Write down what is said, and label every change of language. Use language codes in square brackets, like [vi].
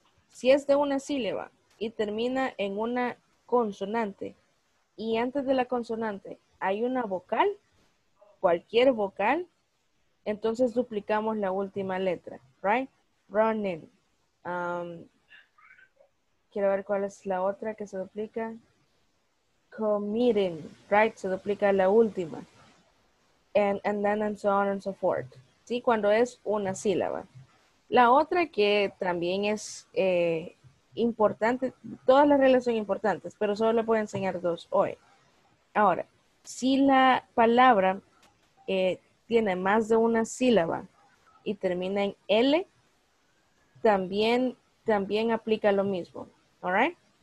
[es] Si es de una sílaba y termina en una consonante, y antes de la consonante hay una vocal, cualquier vocal, entonces duplicamos la última letra. Right? Running. Quiero ver cuál es la otra que se duplica. Committing, right? Se duplica la última. [en] And then and so on and so forth. [es] ¿Sí? Cuando es una sílaba. La otra que también es importante, todas las reglas son importantes, pero solo le voy a enseñar dos hoy. Ahora, si la palabra tiene más de una sílaba y termina en L, también aplica lo mismo. All right.